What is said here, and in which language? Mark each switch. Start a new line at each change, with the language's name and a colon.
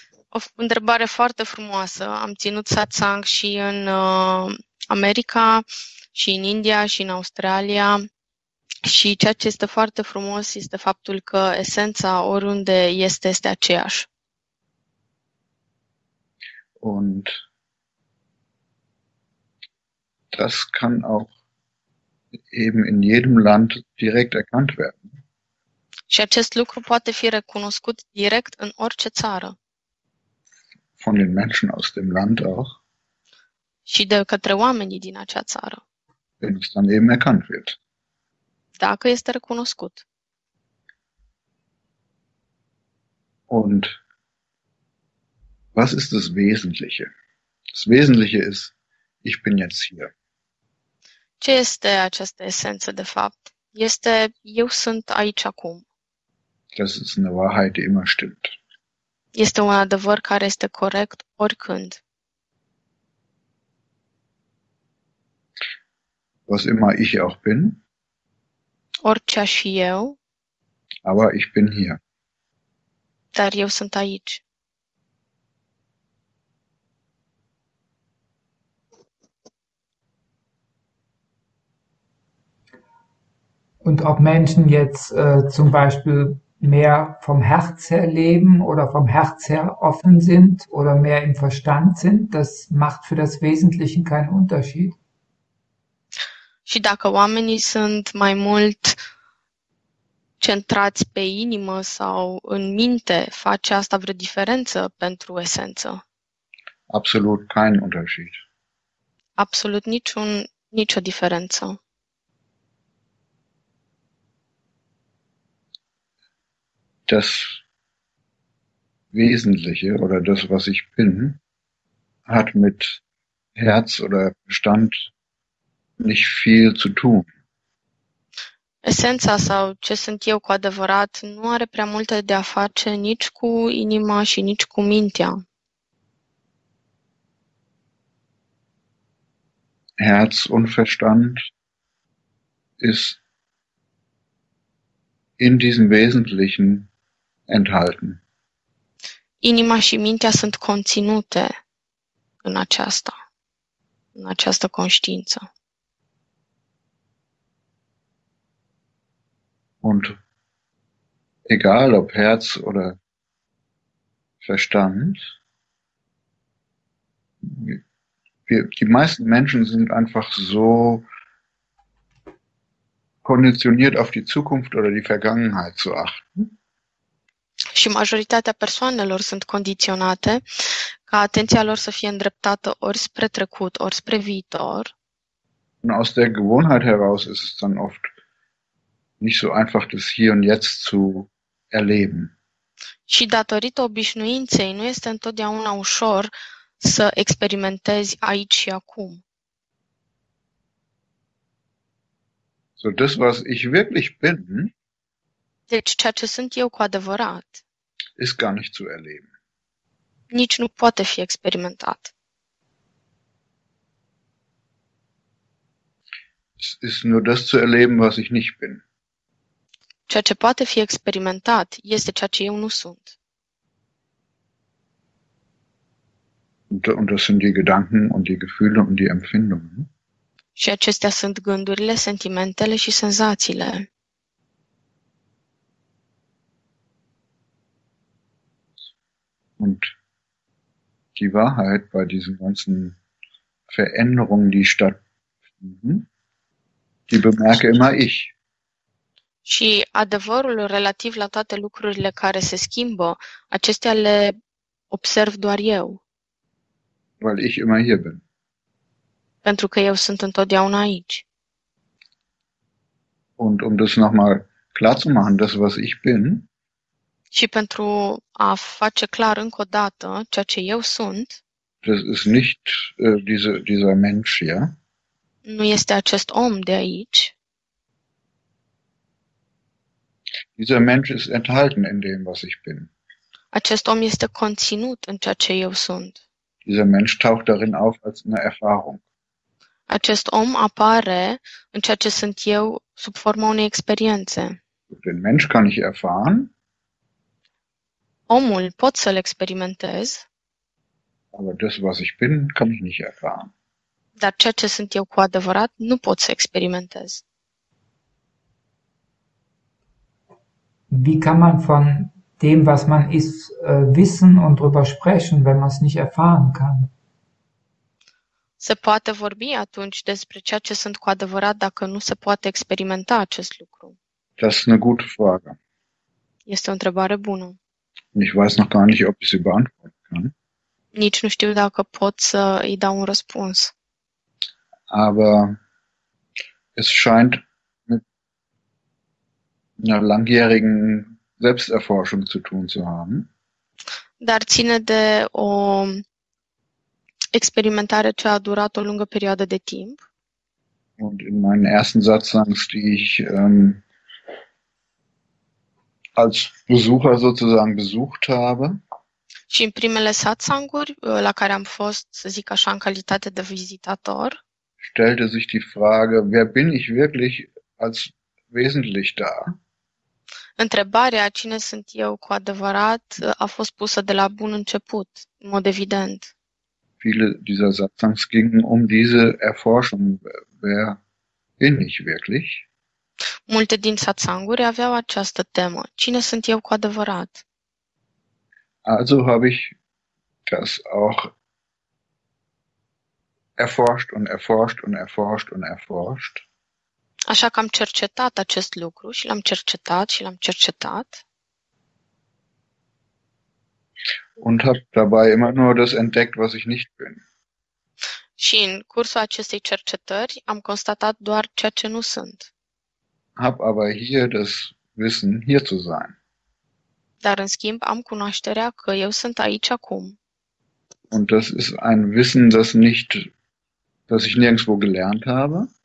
Romanian: O întrebare foarte frumoasă. Am ținut satsang și în America, și în India, și în Australia. Și ceea ce este foarte frumos este faptul că esența oriunde este, este aceeași.
German: Und das kann auch eben in jedem Land direkt erkannt werden.
Romanian: Și acest lucru poate fi recunoscut direct în orice țară.
German: Von den Menschen aus dem Land auch,
Romanian: Și de către oamenii din acea țară.
German: wenn es dann eben erkannt wird.
Romanian: Dacă este recunoscut.
German: Und was ist das Wesentliche? Das Wesentliche ist, ich bin jetzt hier.
Romanian: Ce este această esență, de fapt? Este, eu sunt aici acum.
German: Das ist eine Wahrheit, die immer stimmt.
Romanian: Este un adevăr care este corect oricând.
German: Was immer ich auch bin,
Romanian: Orice aș fi eu,
German: aber ich bin hier.
Romanian: dar eu sunt aici.
German: Und ob Menschen jetzt zum Beispiel mehr vom Herz her leben oder vom Herz her offen sind oder mehr im Verstand sind, das macht für das Wesentliche keinen Unterschied.
Romanian: Și dacă oamenii sunt mai mult centrați pe inimă sau în minte, face asta vreo diferență pentru esență?
German: Absolut keinen Unterschied.
Romanian: Absolut nicio diferență.
German: Das Wesentliche oder das, was ich bin, hat mit Herz oder Verstand nicht viel zu tun.
Romanian: Esența sau ce sunt eu cu adevărat nu are prea multe de a face nici cu inima și nici cu mintea.
German: Herz und Verstand ist in diesem Wesentlichen enthalten.
Romanian: Inima și mintea sunt conținute în aceasta, în această conștiință.
German: Und egal ob Herz oder Verstand, die meisten Menschen sind einfach so konditioniert auf die Zukunft oder die Vergangenheit zu achten.
Romanian: Și majoritatea persoanelor sunt condiționate ca atenția lor să fie îndreptată ori spre trecut, ori spre viitor.
German: Und aus der Gewohnheit heraus ist es dann oft nicht so einfach, das hier und jetzt zu erleben.
Romanian: Și datorită obișnuinței, nu este întotdeauna ușor să experimentezi aici și acum.
German: So, das, was ich wirklich bin,
Romanian: Deci, ceea ce sunt eu cu adevărat,
German: ist gar nicht zu erleben.
Romanian: nici nu poate fi experimentat.
German: Ist nur das zu erleben, was ich nicht bin.
Romanian: Ceea ce poate fi experimentat este ceea ce eu nu sunt.
German: Und das sind die Gedanken und die Gefühle und die Empfindungen.
Romanian: Și acestea sunt gândurile, sentimentele și senzațiile.
German: Und die Wahrheit bei diesen ganzen Veränderungen, die stattfinden, die bemerke immer ich.
Romanian: Și adevărul relativ la toate lucrurile care se schimbă, acestea le observ doar eu.
German: Weil ich immer hier bin.
Romanian: Pentru că eu sunt întotdeauna aici.
German: Und um das nochmal klar zu machen, das, was ich bin,
Romanian: Și pentru a face clar încă o dată ceea ce eu sunt,
German: das ist nicht dieser Mensch, ja.
Romanian: nu este acest om de aici.
German: Dieser Mensch ist enthalten in dem, was ich bin.
Romanian: Acest om este conținut în ceea ce eu sunt.
German: Dieser Mensch taucht darin auf als eine Erfahrung.
Romanian: Acest om apare în ceea ce sunt eu sub forma unei experiențe.
German: Den Mensch kann ich erfahren,
Romanian: Omul pot să-l experimentez,
German: aber das, was ich bin, kann ich nicht erfahren.
Romanian: dar ceea ce sunt eu cu adevărat nu pot să experimentez.
German: Wie kann man von dem, was man ist, wissen und darüber sprechen, wenn man es nicht erfahren kann?
Romanian: Se poate vorbi atunci despre ceea ce sunt cu adevărat dacă nu se poate experimenta acest lucru?
German: Das ist eine gute Frage.
Romanian: Este o întrebare bună.
German: Und ich weiß noch gar nicht, ob ich sie beantworten kann.
Romanian: Nici nu știu dacă pot să îi dau un răspuns.
German: Aber es scheint einer langjährigen Selbsterforschung zu tun zu haben.
Romanian: Dar ține de o experimentare ce a durat o lungă perioadă de timp.
German: Und in meinen ersten Satsangs, die ich als Besucher sozusagen besucht habe.
Romanian: Și în primele satsanguri, la care am fost, să zic așa, în calitate de vizitator,
German: Stellte sich die Frage, wer bin ich wirklich als wesentlich da?
Romanian: întrebarea cine sunt eu cu adevărat a fost pusă de la bun început, în mod evident.
German: Viele dieser Satsangs gingen um diese Erforschung, wer bin ich wirklich?
Romanian: Multe din satsanguri aveau această temă. Cine sunt eu cu adevărat?
German: Also habe ich das auch erforscht und erforscht und erforscht und erforscht.
Romanian: Așa că am cercetat acest lucru și l-am cercetat și l-am cercetat.
German: Und habe dabei immer nur das entdeckt, was ich nicht bin.
Romanian: Și în cursul acestei cercetări am constatat doar ceea ce nu sunt.
German: Hab aber hier das Wissen, hier zu sein.
Romanian: Dar, în schimb, am cunoașterea că eu sunt aici acum.
German: Und das ist ein Wissen, das nicht, das ich nirgendwo gelernt habe.